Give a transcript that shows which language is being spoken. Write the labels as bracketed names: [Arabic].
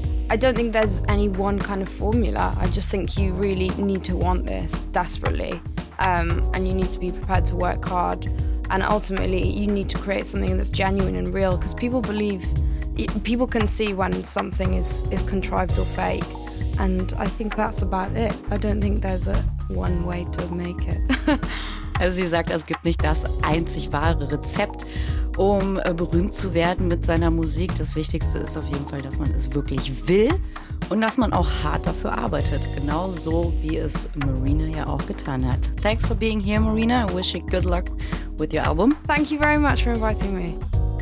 [English] I don't think there's any one kind of formula. I just think you really need to want this desperately, and you need to be prepared to work hard. And ultimately, you need to create something that's genuine and real, because people can see when something is contrived or fake. And I think that's about it. I don't think there's a one way to make it. [German] Also sie sagt, es gibt nicht das einzig wahre Rezept, um berühmt zu werden mit seiner Musik. Das Wichtigste ist auf jeden Fall, dass man es wirklich will und dass man auch hart dafür arbeitet. Genauso wie es Marina ja auch getan hat. [English] Thanks for being here, Marina. I wish you good luck with your album. Thank you very much for inviting me.